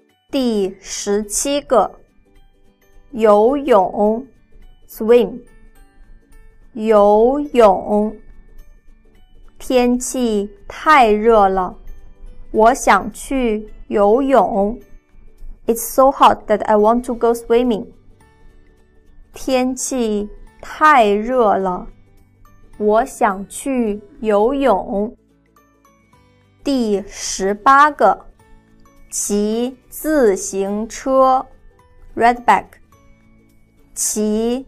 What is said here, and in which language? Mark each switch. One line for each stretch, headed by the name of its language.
Chinese: 第十七个，游泳 ，swim。游泳，天气太热了，我想去游泳。
English: It's so hot that I want to go swimming.
Chinese: 天气太热了，我想去游泳。第十八个，骑自行车 ，
English: ride bike，
Chinese: 骑。